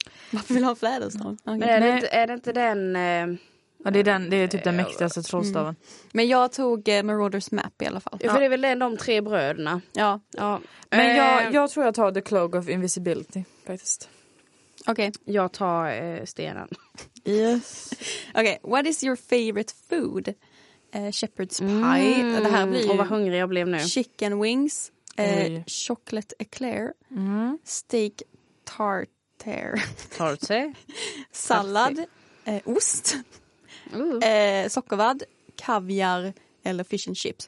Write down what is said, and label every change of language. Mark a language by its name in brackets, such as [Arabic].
[Swedish] Varför vill ha fläderstaven? Är det inte den Det är den, det är typ den mäktigaste trollstaven. Men jag tog Marauder's Map i alla fall. För det är väl den de tre bröderna. Ja. Men jag tror jag tar The Cloak of Invisibility faktiskt. Okej. Jag tar stenen. Yes. [English] Okay, what is your favorite food? Shepherd's pie. [Swedish] Det här blir ju vad hungrig jag blev nu. [English] Chicken wings, chocolate eclair, steak tartare. Tartare. [Swedish] Sallad, ost. Sockervadd, kaviar eller fish and chips.